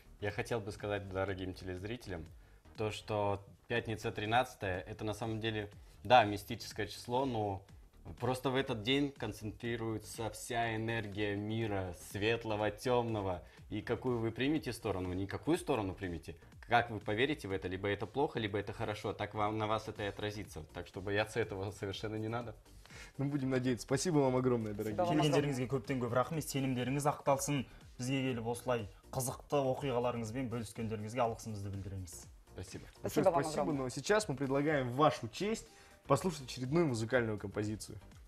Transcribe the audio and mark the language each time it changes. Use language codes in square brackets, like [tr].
[ru] Я хотел бы сказать дорогим телезрителям, то, что пятница 13-е, это на самом деле, да, мистическое число, но просто в этот день концентрируется вся энергия мира, светлого, темного. И какую вы примете сторону, никакую сторону примете, как вы поверите в это, либо это плохо, либо это хорошо, так вам, на вас это и отразится. Так что бояться этого совершенно не надо. Ну, будем надеяться. Спасибо вам огромное, дорогие. [kk] Келендеріңізге көптен көп рахмет, сенімдеріңіз ақталсын, бізге келіп осылай қызықты оқиғаларыңызбен бөліскендеріңізге алғысымызды білдіреміз. [ru] Спасибо. Спасибо вам огромное. Спасибо, но сейчас мы предлагаем вашу честь послушать очередную музыкальную композицию.